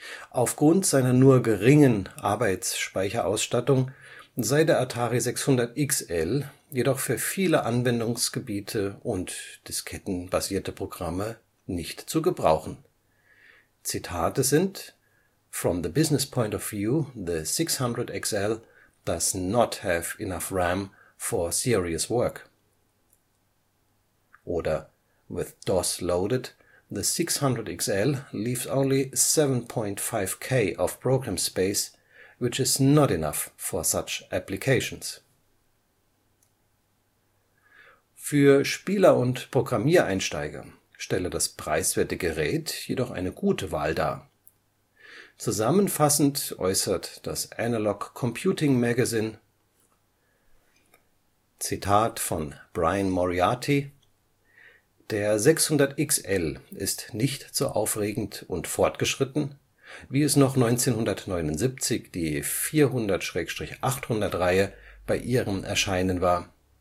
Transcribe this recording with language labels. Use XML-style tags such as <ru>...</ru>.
<de>Aufgrund seiner nur geringen Arbeitsspeicherausstattung sei der Atari 600 XL jedoch für viele Anwendungsgebiete und diskettenbasierte Programme nicht zu gebrauchen. Zitate sind:</de> <en>From the business point of view, the 600XL does not have enough RAM for serious work. Oder: With DOS loaded, the 600XL leaves only 7.5K of program space, which is not enough for such applications.</en> <de>Für Spieler und Programmiereinsteiger stelle das preiswerte Gerät jedoch eine gute Wahl dar. Zusammenfassend äußert das Analog Computing Magazine: Zitat von Brian Moriarty: Der 600XL ist nicht so aufregend und fortgeschritten, wie es noch 1979 die 400/800 - Reihe bei ihrem Erscheinen war.</de>